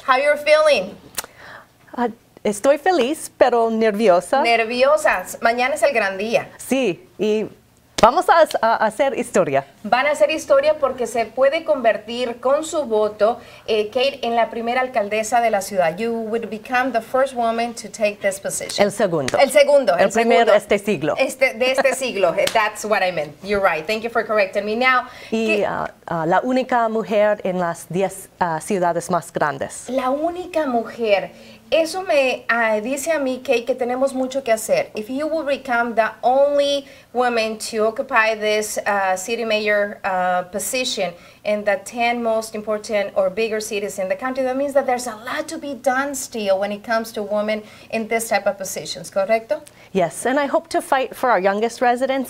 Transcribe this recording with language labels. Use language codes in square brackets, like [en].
[en] How are you feeling? [es] Estoy feliz, pero nerviosa. Nerviosa. Mañana es el gran día. Sí, y vamos a hacer historia. Van a hacer historia porque se puede convertir con su voto, Kate, en la primera alcaldesa de la ciudad. [en] You would become the first woman to take this position. [es] El segundo. El primero de este siglo. De este siglo. [en] That's what I meant. You're right. Thank you for correcting me. Now, [es] La única mujer en las 10 ciudades más grandes. La única mujer. Eso me dice a mí, Kate, que tenemos mucho que hacer. [en] If you will become the only woman to occupy this city mayor position in the 10 most important or bigger cities in the country, that means that there's a lot to be done still when it comes to women in this type of positions, correcto? Yes, and I hope to fight for our youngest residents.